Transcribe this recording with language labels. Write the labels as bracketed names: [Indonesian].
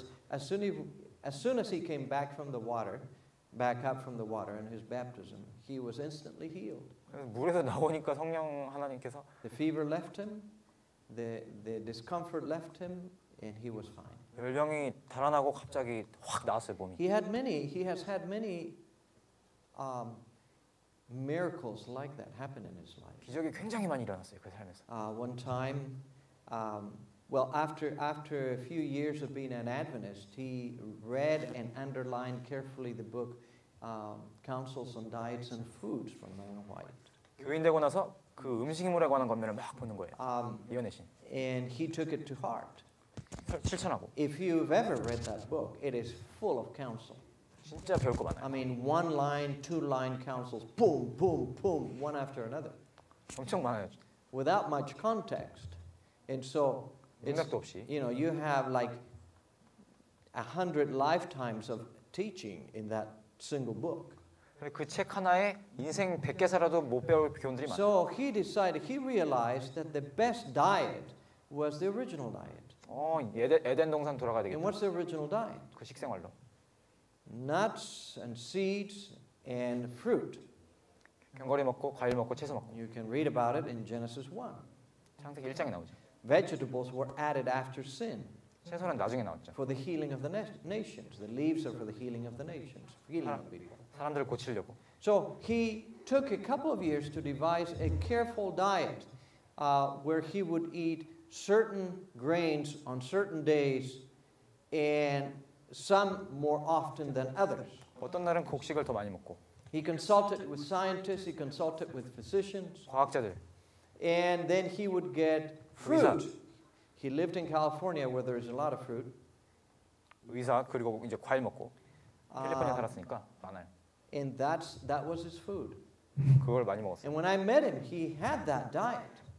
[English] as soon as he came back from the water, back up from the water in his baptism, he was instantly healed. [Korean] 물에서 나오니까 성령 하나님께서 [English] the fever left him, the discomfort left him, and he was fine. [Korean] 열병이 달아나고 갑자기 확 나왔어요 몸이. [English] He has had many. Miracles like that happen in his life. [Korean] 기적이 굉장히 많이 일어났어요 그 삶에서. [English] One time, well, after a few years of being an Adventist, he read and underlined carefully the book Counsels on Diets and Foods from Ellen White. [Korean] 교인 되고 나서 그 음식물에 관한 권면을 막 보는 거예요. 이언의 신. [English] And he took it to heart. [Korean] 실천하고. [English] If you've ever read that book, it is full of counsel. [Korean] 진짜 배울 거 많아요. [English] I mean, one line, two line counsels, boom, boom, boom, one after another. [Korean] 엄청 많아요. [English] Without much context, and so, [Korean] 맥락도 없이. [English] You know, you have like 100 lifetimes of teaching in that single book. [Korean] 그 책 하나에 인생 100개 살아도 못 배울 교훈들이 많아요. [English] So he decided, he realized that the best diet was the original diet. [Korean] 에덴 동산 돌아가야 되겠다. [English] And what's the original diet? [Korean] 그 식생활로. [English] Nuts and seeds and fruit. [Korean] 견과류 먹고 과일 먹고 채소 먹고. [English] You can read about it in Genesis 1. [Korean] 창세기 1장에 나오죠. [English] Vegetables were added after sin. [Korean] 채소는 나중에 나왔죠. [English] For the healing of the nations, the leaves are for the healing of the nations, healing of people. [Korean] 사람들을 고치려고. [English] So he took a couple of years to devise a careful diet, where he would eat certain grains on certain days, and some more often than others. [Korean] 어떤 날은 곡식을 더 많이 먹고. [English] He consulted with scientists. He consulted with physicians. [Korean] 과학자들. [English] And then he would get fruit. 의사. He lived in California where there is a lot of fruit. [Korean] 의사 그리고 이제 과일 먹고. 캘리포니아 살았으니까 많아요. [English] And that was his food. [Korean] 그걸 많이 먹었어요. [English] And when I met him, he had that diet.